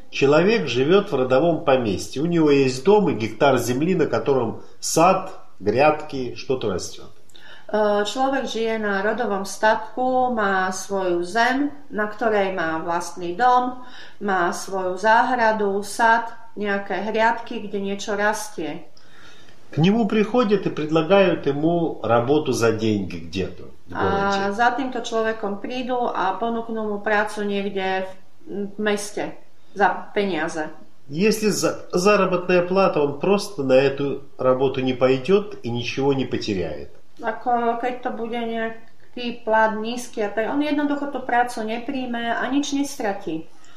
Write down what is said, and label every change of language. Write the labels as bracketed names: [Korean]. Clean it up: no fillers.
[Russian] Человек живёт в родовом поместье. У него есть дом и гектар земли, на котором сад, грядки, что-то растёт. [Slovak] Človek žije na rodovom statku, má svoju zem, na ktorej má vlastný dom, má svoju záhradu, sad, nejaké hriadky, kde niečo rastie. K nemu prichodia a predlagajú mu robotu za deňky, kde to. A za týmto človekom prídu a ponúknú mu prácu niekde v meste za peniaze. [Russian] Если заработная плата, он просто на эту работу не пойдёт и ничего не потеряет. [Slovak] Ako keď to bude nejaký plat nízky, tak on jednoducho tú prácu nepríjme a nič nestratí.